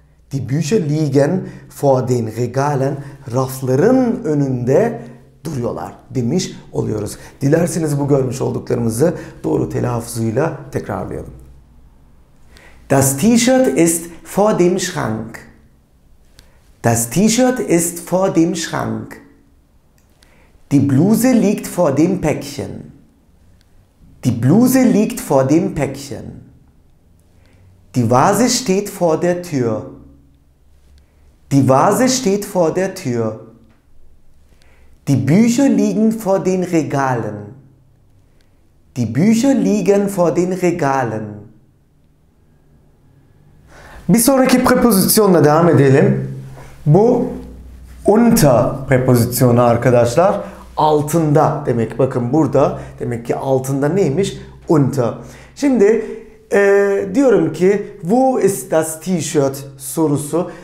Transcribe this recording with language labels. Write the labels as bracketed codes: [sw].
[de] Die Bücher liegen vor den Regalen. [tr] Rafların önünde duruyorlar demiş oluyoruz. Dilerseniz bu görmüş olduklarımızı doğru telaffuzuyla tekrarlayalım. [de] Das T-Shirt ist vor dem Schrank. Das T-Shirt ist vor dem Schrank. Die Bluse liegt vor dem Päckchen. Die Bluse liegt vor dem Päckchen. Die Vase steht vor der Tür. Die Vase steht vor der Tür. Die Bücher liegen vor den Regalen. Die Bücher liegen vor den Regalen. [tr] Bir sonraki prepozisyonla devam edelim. Bu unter prepozisyonu arkadaşlar. Altında demek. Bakın burada demek ki altında neymiş? Unter. Şimdi diyorum ki [de] wo ist das T-Shirt [tr] sorusu.